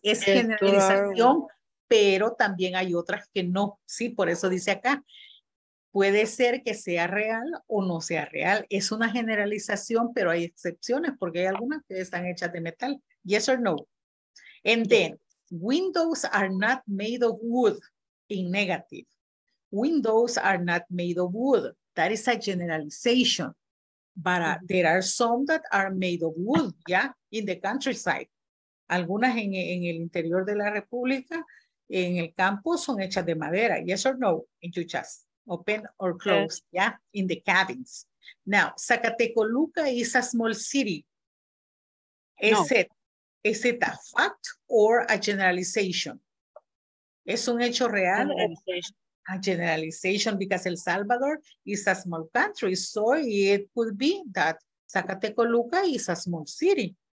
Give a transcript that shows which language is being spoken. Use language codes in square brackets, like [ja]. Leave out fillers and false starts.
[es] Es generalización, pero también hay otras que no. Sí, por eso dice acá. Puede ser que sea real o no sea real. Es una generalización, pero hay excepciones porque hay algunas que están hechas de metal. [en] Yes or no? And then, windows are not made of wood, in negative. Windows are not made of wood. That is a generalization. But there are some that are made of wood, yeah, in the countryside. [es] Algunas en el interior de la República, en el campo, son hechas de madera. [en] Yes or no? And you just open or close, yeah, in the cabins. Now, Zacatecoluca is a small city. Is it a fact or a generalization? [es] ¿Es un hecho real? [en] Generalization. A generalization, because El Salvador is a small country, so it could be that Zacatecoluca is a small city.